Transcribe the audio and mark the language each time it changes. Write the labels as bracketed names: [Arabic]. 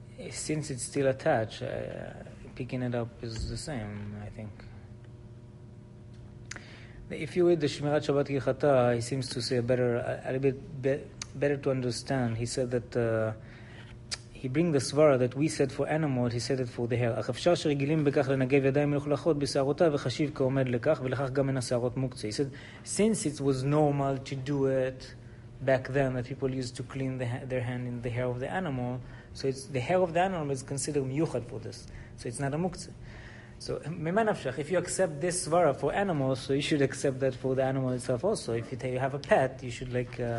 [English] Since it's still attached, picking it up is the same, I think. If you read the Shmirat Shabbat Kichata, he seems to say a little bit better to understand. He said that. He brings the svara that we said for animals, he said it for the hair. [Hebrew] אך אפשר שרגילים בכך לנגב ידיים מלוכלכות בשערותיו וחשיב כעומד לכך, ולכך גם מן השערות מוקצה. [English] He said, since it was normal to do it back then, that people used to clean their hand in the hair of the animal, so it's the hair of the animal is considered מיוחד for this. So it's not a מוקצה. So, ממה נפשך, if you accept this svara for animals, so you should accept that for the animal itself also. If you have a pet, you should like...